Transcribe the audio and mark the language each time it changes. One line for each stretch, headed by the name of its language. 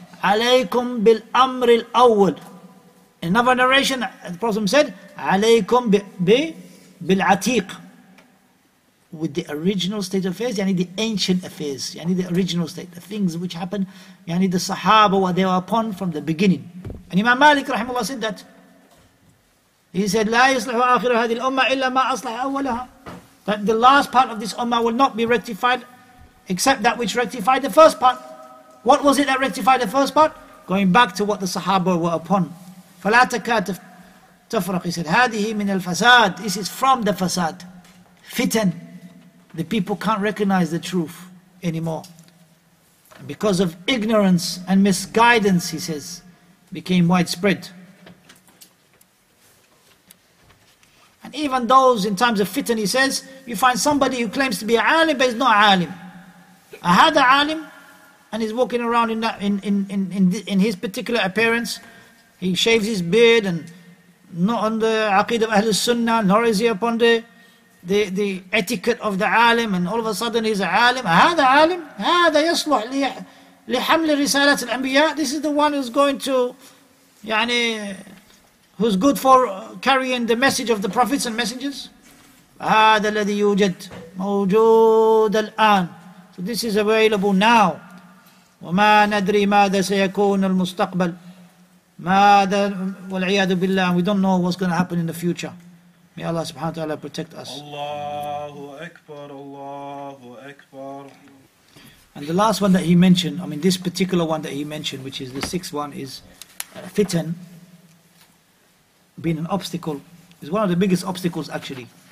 Arabic: عَلَيْكُمْ بِالْأَمْرِ الْأَوَّلِ
English: In another narration, the Prophet said,
Arabic: عَلَيْكُمْ بِالْعَتِيقِ
English: With the original state of affairs, yani the ancient affairs, yani the original state, the things which happened, yani the Sahaba, what they were upon from the beginning. And Imam Malik, rahimahullah, said that. He said,
Arabic: لا يصلح آخر هذه الأمة إلا ما أصلح أولها.
English: That the last part of this Ummah will not be rectified, except that which rectified the first part. What was it that rectified the first part? Going back to what the Sahaba were upon.
Arabic: فلا تكاتف تفرق.
English: He said,
Arabic: هذه من الفساد.
English: This is from the فساد. Fitan. The people can't recognize the truth anymore. Because of ignorance and misguidance, he says, became widespread. And even those in times of fitan, he says, you find somebody who claims to be an alim, but he's not an alim. I had an alim, and he's walking around in his particular appearance. He shaves his beard, and not on the aqid of Ahlul Sunnah, nor is he upon the etiquette of the alim, and all of a sudden he's an alim.
Arabic: هذا alim, هذا يصلح لحمل رسالة الأنبياء.
English: This is the one who's going to, يعني, who's good for carrying the message of the prophets and messengers.
Arabic: هذا الذي يوجد موجود الآن.
English: So this is available now.
Arabic: وما ندري ماذا سيكون المستقبل. ماذا والعياذ بالله.
English: We don't know what's going to happen in the future. May Allah subhanahu wa ta'ala protect us.
Arabic: Allahu Akbar, Allahu Akbar.
English: And the last one that he mentioned, I mean this particular one that he mentioned, which is the sixth one, is fitan, being an obstacle, is one of the biggest obstacles actually.